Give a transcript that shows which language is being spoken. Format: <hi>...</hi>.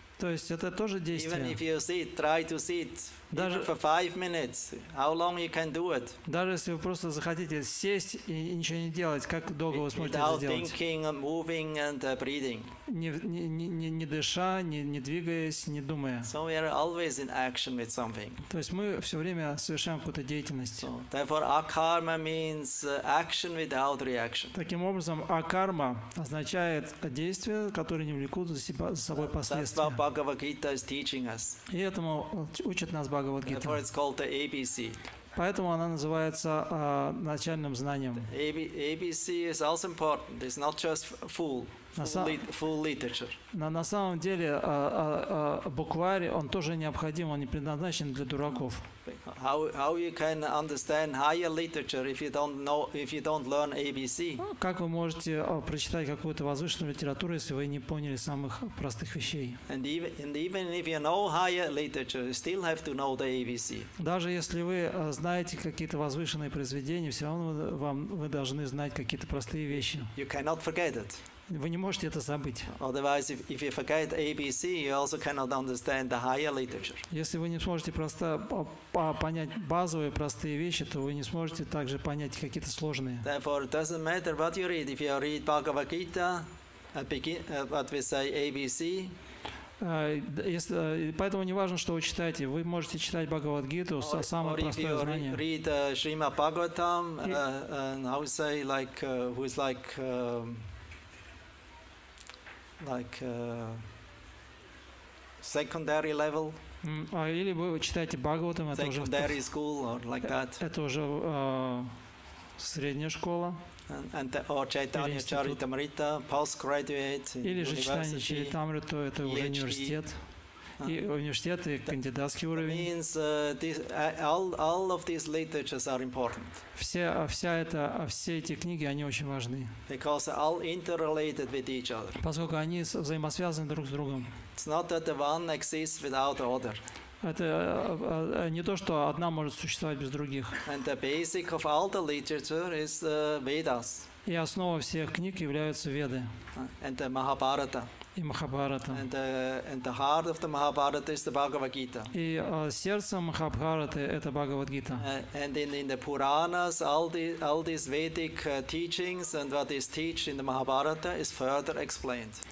<ru>То есть это тоже действие.</ru> <en>Even if you sit, try to sit.</en> <ru>Даже</ru> <en>for 5 minutes, how long you can do it?</en> <ru>Даже если вы просто захотите сесть и ничего не делать, как долго вы сможете это сделать?</ru> <en>Without thinking, moving and breathing.</en> <ru>Не дыша, не двигаясь, не думая.</ru> <en>So we are always in action with something.</en> <ru>То есть мы все время совершаем какую-то деятельность.</ru> <en>So, therefore, akarma means action without reaction.</en> <ru>Таким образом, акарма означает действия, которые не влекут за собой последствия.</ru> <en>That's what Bhagavad Gita is teaching us.</en> <ru>И этому учат нас Бхагавад Гита.</ru> <en>Therefore, it's called the ABC.</en> <ru>Поэтому она называется начальным знанием.</ru> <en>ABC is also important. It's not just full literature.</en> <ru>На самом деле букварь он тоже необходим, он не предназначен для дураков.</ru> <en>How you can understand higher literature if you don't learn ABC?</en> <ru>Как вы можете прочитать какую-то возвышенную литературу, если вы не поняли самых простых вещей?</ru> <en>And even if you know higher literature, you still have to know the ABC.</en> <ru>Даже если вы знаете какие-то возвышенные произведения, все равно вы должны знать какие-то простые вещи.</ru> <en>You cannot forget it.</en> <ru>Вы не можете это забыть.</ru> <en>Otherwise, if you forget ABC, you also cannot understand the higher literature.</en> <ru>Если вы не сможете просто понять базовые простые вещи, то вы не сможете также понять какие-то сложные.</ru> <en>Therefore, it doesn't matter what you read. If you read Bhagavad Gita, what we say ABC.</en> <ru>Поэтому не важно, что вы читаете. Вы можете читать Бхагавад-гиту, самое простое знание.</ru> <en>Or read Shrimad Bhagavatam, and I would say like who is like like secondary level.</en> <ru>А или вы читаете Бхагаватам, это уже</ru> <en>secondary school or like that.</en> <ru>Это уже средняя школа.</ru> <en>And the, or Chaitanya Charitamrita, postgraduate in</en> <ru>или же читание Чаритамриту, это уже университет. И университет, и кандидатский уровень.</ru> <en>Means, this, all of these literatures are important.</en> <ru>Все эти книги, они очень важны.</ru> <en>Because all interrelated with each other.</en> <ru>Поскольку они взаимосвязаны друг с другом.</ru> <en>It's not that one exists without the other.</en> <ru>Это не то, что одна может существовать без других.</ru> <en>And the basic of all the literature is Vedas.</en> <ru>И основа всех книг являются Веды.</ru> <en>And the Mahabharata.</en> <ru>И Махабхарата.</ru> <en>And the heart of the Mahabharata is the Bhagavad Gita.</en> <ru>И сердце Махабхараты – это Бхагавад Гита.</ru> <en>And in the Puranas, all these Vedic teachings and what is taught in the Mahabharata is further explained.</en>